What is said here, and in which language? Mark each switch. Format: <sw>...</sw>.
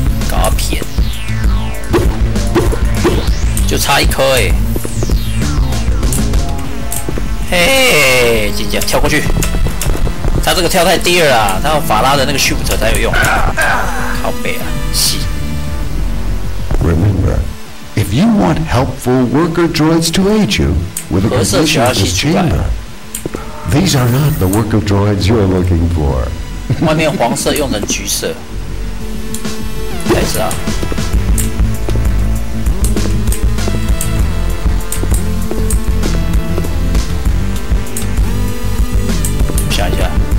<zh>搞屁！就差一颗哎。嘿，尖叫，跳过去。他这个跳太低了啦，他有法拉的那个 shoot 才有用。靠北啊，戏。</zh> <en>Remember, if you want helpful worker droids to aid you with a position in this chamber, these are not the worker droids you're looking for.</en> <zh>外面黄色用成橘色，开始啊！想一下。</zh>